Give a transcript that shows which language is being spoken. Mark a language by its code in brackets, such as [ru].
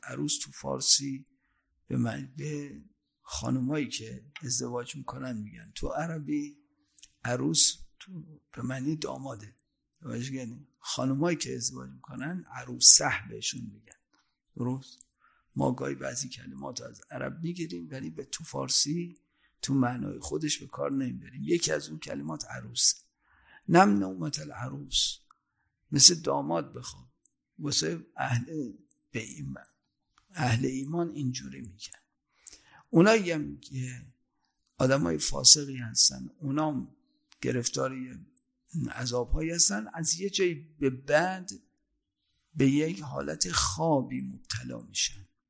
[fa] عروس تو فارسی به معنی خانمایی که ازدواج میکنن میگن، تو عربی عروس تو به معنی داماده، یعنی خانمایی که ازدواج میکنن عروسه بهشون میگن. عروس ما گاهی بعضی کلمات از عرب میگیریم ولی به تو فارسی تو معنای خودش به کار نمیبریم. یکی از اون کلمات عروس. [ar] نم نومت العروس، [fa] مثل داماد بخواب. واسه اهل به ایمان، اهل ایمان اینجوری میگن. اونایی هم که آدم های فاسقی هستن اونا هم گرفتاری عذاب هایی هستن، از یه جایی به بعد به یک حالت خوابی مبتلا میشن.